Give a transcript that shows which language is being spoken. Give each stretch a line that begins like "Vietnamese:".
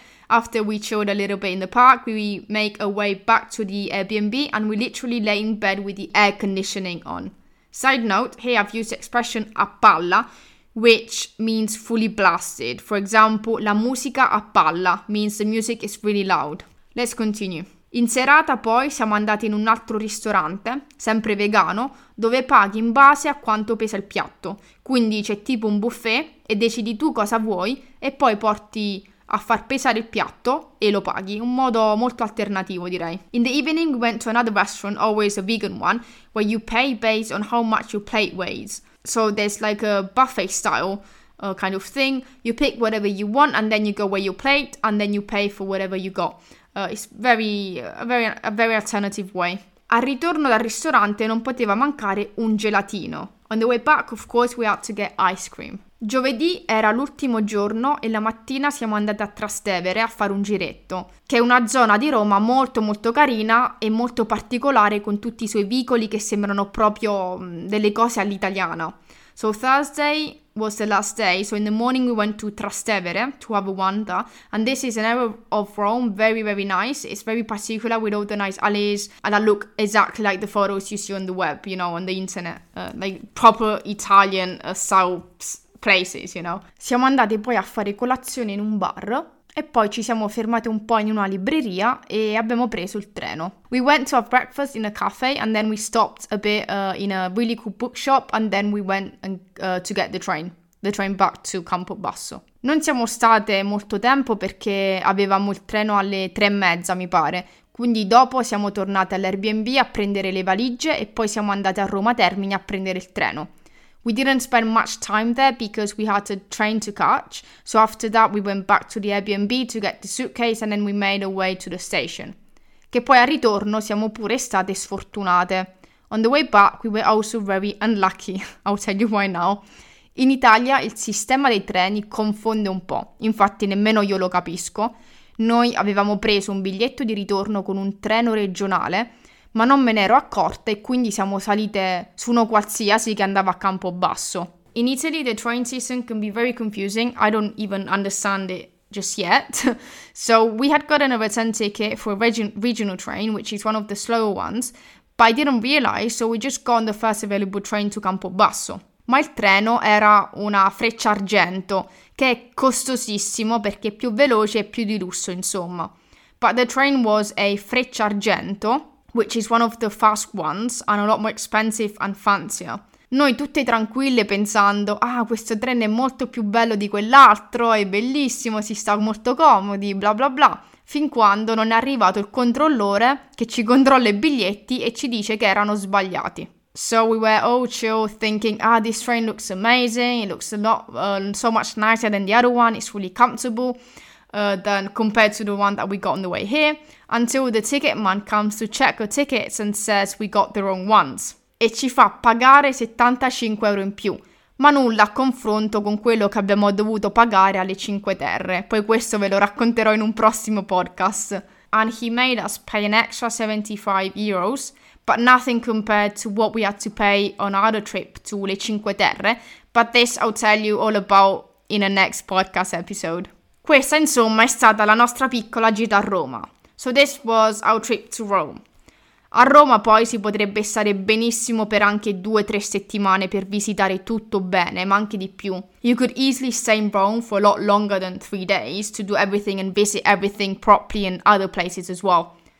English: After we chilled a little bit in the park, we make our way back to the Airbnb and we literally lay in bed with the air conditioning on. Side note, here I've used the expression a palla, which means fully blasted. For example,
Italian: la musica a palla
English: means the music is really loud. Let's continue.
Italian: In serata poi siamo andati in un altro ristorante, sempre vegano, dove paghi in base a quanto pesa il piatto. Quindi c'è tipo un buffet e decidi tu cosa vuoi e poi porti a far pesare il piatto e lo paghi. Un modo molto alternativo direi.
English: In the evening we went to another restaurant, always a vegan one, where you pay based on how much your plate weighs. So there's like a buffet style kind of thing. You pick whatever you want and then you go where your plate and then you pay for whatever you got. It's a very alternative way.
Italian: Al ritorno dal ristorante non poteva mancare un gelatino.
English: On the way back, of course, we had to get ice cream.
Italian: Giovedì era l'ultimo giorno e la mattina siamo andate a Trastevere a fare un giretto, che è una zona di Roma molto molto carina e molto particolare con tutti i suoi vicoli che sembrano proprio delle cose all'italiana.
English: So Thursday was the last day. So in the morning we went to Trastevere to have a wander. And this is an area of Rome, very, very nice. It's very particular with all the nice alleys. And I look exactly like the photos you see on the web, you know, on the internet. Like proper Italian south places, you know.
Italian: Siamo andati poi a fare colazione in un bar. E poi ci siamo fermate un po' in una libreria e abbiamo preso il treno.
English: We went to have breakfast in a cafe and then we stopped a bit in a really cool bookshop and then we went and, to get the train back to Campobasso.
Italian: Non siamo state molto tempo perché avevamo il treno alle 3:30, mi pare. Quindi dopo siamo tornate all'Airbnb a prendere le valigie e poi siamo andate a Roma Termini a prendere il treno.
English: We didn't spend much time there because we had a train to catch. So after that, we went back to the Airbnb to get the suitcase and then we made our way to the station.
Italian: Che poi al ritorno siamo pure state sfortunate.
English: On the way back, we were also very unlucky. I'll tell you why now.
Italian: In Italia, il sistema dei treni confonde un po'. Infatti, nemmeno io lo capisco. Noi avevamo preso un biglietto di ritorno con un treno regionale. Ma non me ne ero accorta e quindi siamo salite su uno qualsiasi che andava a Campobasso.
English: In Italy the train system can be very confusing. I don't even understand it just yet. So we had gotten a return ticket for a regional train, which is one of the slower ones. But I didn't realize, so we just got on the first available train to Campobasso.
Italian: Ma il treno era una Freccia Argento, che è costosissimo perché è più veloce e più di lusso, insomma.
English: But the train was a Freccia Argento, which is one of the fast ones and a lot more expensive and fancier.
Italian: Noi tutte tranquille pensando, ah, questo treno è molto più bello di quell'altro, è bellissimo, si sta molto comodi, bla bla bla. Fin quando non è arrivato il controllore che ci controlla i biglietti e ci dice che erano sbagliati.
English: So we were all chill thinking, ah, this train looks amazing, it looks a lot, so much nicer than the other one, it's really comfortable. Than compared to the one that we got on the way here, until the ticket man comes to check our tickets and says we got the wrong ones.
Italian: E ci fa pagare 75 euro in più, ma nulla a confronto con quello che abbiamo dovuto pagare alle Cinque Terre. Poi questo ve lo racconterò in un prossimo podcast.
English: And he made us pay an extra 75 euros, but nothing compared to what we had to pay on our trip to le Cinque Terre, but this I'll tell you all about in a next podcast episode.
Italian: Questa, insomma, è stata la nostra piccola gita a Roma.
English: So this was our trip to Rome.
Italian: A Roma poi si potrebbe stare benissimo per anche 2-3 settimane per visitare tutto bene, ma anche di più.
English: You could easily stay in Rome for a lot longer than 3 days to do everything and visit everything properly in other places as well.